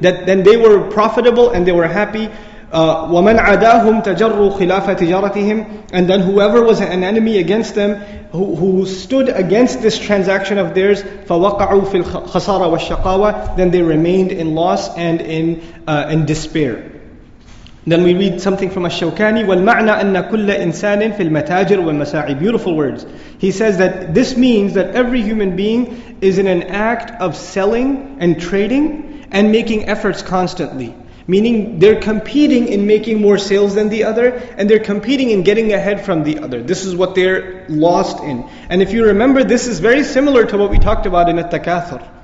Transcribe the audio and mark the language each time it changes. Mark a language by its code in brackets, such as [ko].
[en] That then they were profitable and they were happy. [ar] وَمَنْ عَدَاهُمْ تَجَرُّوا خِلَافَ تِجَارَتِهِمْ. [en] And then whoever was an enemy against them, who stood against this transaction of theirs, [ar] فَوَقَعُوا فِي الْخَسَارَ وَالشَّقَاوَةِ. [en] Then they remained in loss and in despair. Then we read something from Ash-Shawkani, [ar] وَالْمَعْنَى أَنَّ كُلَّ إِنسَانٍ فِي الْمَتَاجِرِ وَالْمَسَاعِ. [en] Beautiful words. He says that this means that every human being is in an act of selling and trading and making efforts constantly. Meaning they're competing in making more sales than the other, and they're competing in getting ahead from the other. This is what they're lost in. And if you remember, this is very similar to what we talked about in At-Takathur.